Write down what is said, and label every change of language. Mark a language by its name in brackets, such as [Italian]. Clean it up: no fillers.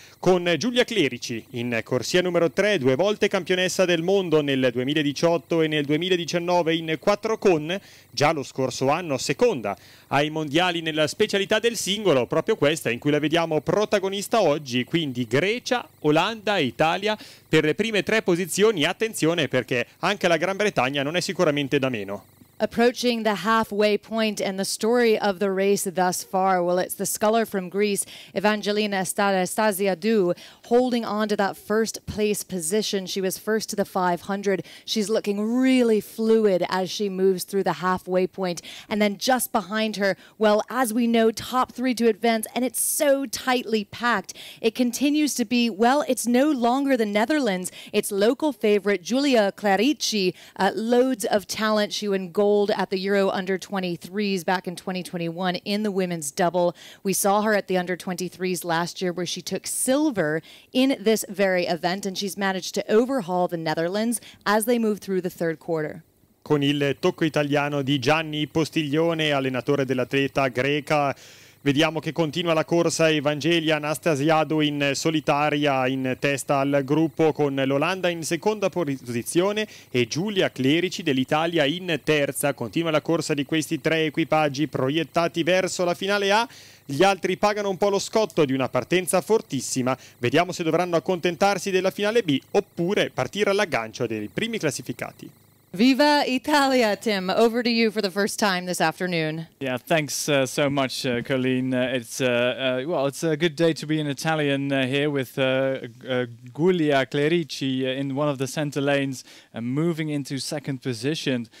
[Italian] Con Giulia Clerici in corsia numero 3, due volte campionessa del mondo nel 2018 e nel 2019 in 4 con, già lo scorso anno seconda ai mondiali nella specialità del singolo, proprio questa in cui la vediamo protagonista oggi, quindi Grecia, Olanda e Italia per le prime tre posizioni. Attenzione perché anche la Gran Bretagna non è sicuramente da meno. [English] Approaching the halfway point and the story of the race thus far, well, it's the sculler from Greece, Evangelina Anastasiadou, holding on to that first place position. She was first to the 500. She's looking really fluid as she moves through the halfway point. And then just behind her, well, as we know, top three to advance, and it's so tightly packed. It continues to be, well, it's no longer the Netherlands. It's local favorite Giulia Clerici, loads of talent. She went gold at the Euro under 23s back in 2021 in the women's double. We saw her at the under 23s last year where she took silver in this very event, and she's managed to overhaul the Netherlands as they move through the third quarter. [Italian] Con il tocco italiano di Gianni Postiglione, allenatore dell'atleta greca, vediamo che continua la corsa Evangelia Anastasiadou in solitaria in testa al gruppo con l'Olanda in seconda posizione e Giulia Clerici dell'Italia in terza. Continua la corsa di questi tre equipaggi proiettati verso la finale A. Gli altri pagano un po' lo scotto di una partenza fortissima. Vediamo se dovranno accontentarsi della finale B oppure partire all'aggancio dei primi classificati. Viva Italia, Tim. [English] Over to you for the first time this afternoon. Yeah, thanks so much, Colleen. It's a good day to be an Italian here with Giulia Clerici in one of the center lanes and moving into second position.